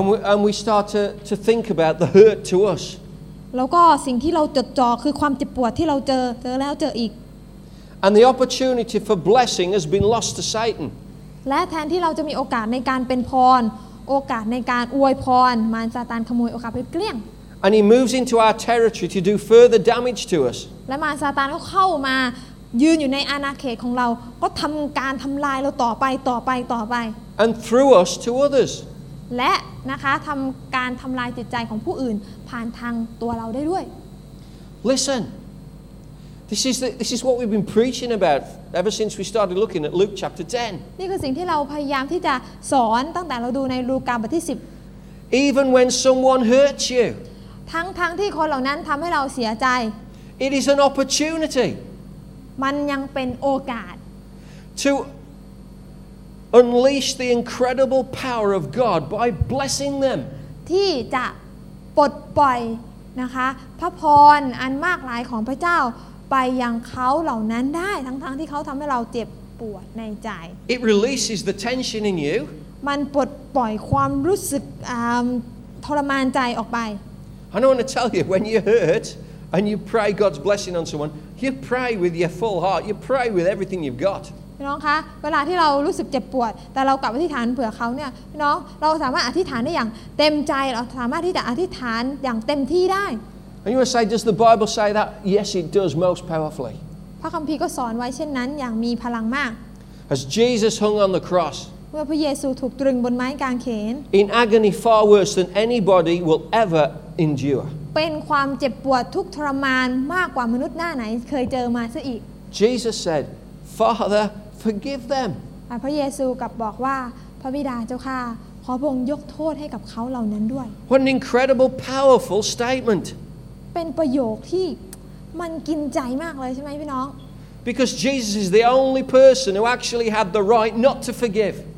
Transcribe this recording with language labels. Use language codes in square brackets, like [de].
[en] And we start to think about the hurt to us. [th] แล้วก็สิ่งที่เราจดจ่อคือความเจ็บปวดที่เราเจอแล้วเจออีก [en] And the opportunity for blessing has been lost to Satan. [th] และแทนที่เราจะมีโอกาสในการเป็นพรโอกาสในการอวยพรมารซาตานขโมยโอกาสไปเกลี้ยง [en] And he moves into our territory to do further damage to us. [th] และมารซาตานก็เข้ามายืนอยู่ในอาณาเขตของเราก็ทำการทำลายเราต่อไป [en] And through us to others. [th] และนะคะทำการทำลายจิตใจของผู้อื่นผ่านทางตัวเราได้ด้วย [en] Listen this is what we've been preaching about ever since we started looking at Luke chapter 10 [th] นี่คือสิ่งที่เราพยายามที่จะสอนตั้งแต่เราดูในลูกาบทที่10 [en] Even when someone hurts you [th] ทั้งที่คนเหล่านั้นทำให้เราเสียใจ [en] It is an opportunity [th] มันยังเป็นโอกาส [en] toUnleash the incredible power of God by blessing them. [th] ที่จะปลดปล่อยนะคะพระพรอันมากมายของพระเจ้าไปยังเขาเหล่านั้นได้ทั้งที่เขาทำให้เราเจ็บปวดในใจ [en] It releases the tension in you. [th] มันปลดปล่อยความรู้สึกทรมานใจออกไป [en] I want to tell you when you hurt and you pray God's blessing on someone, you pray with your full heart. You pray with everything you've got. [th] พี่น้องคะเวลาที่เรารู้สึกเจ็บปวดแต่เรากลับอธิษฐานเผื่อเขาเนี่ยพี่น้องเราสามารถอธิษฐานได้อย่างเต็มใจเราสามารถที่จะอธิษฐานอย่างเต็มที่ได้ [en] And you would say does the Bible say that yes it does most powerfully [th] พระคัมภีร์ก็สอนไว้เช่นนั้นอย่างมีพลังมาก [en] As Jesus hung on the cross [th] เมื่อพระเยซูถูกตรึงบนไม้กางเขน [en] In agony far worse than anybody will ever endure [th] เป็นความเจ็บปวดทุกทรมานมากกว่ามนุษย์หน้าไหนเคยเจอมาซะอีก [en] Jesus said FatherForgive them. [th] พระเยซูกลับบอกว่าพระบิดาเจ้าค่ะขอพระองค์ยกโทษให้กับเขาเหล่านั้นด้วย [en] What an incredible, powerful statement. [th] เป็นประโยคที่มันกินใจมากเลยใช่ไหมพี่น้อง [en] Because Jesus is the only person who actually had the right not to forgive.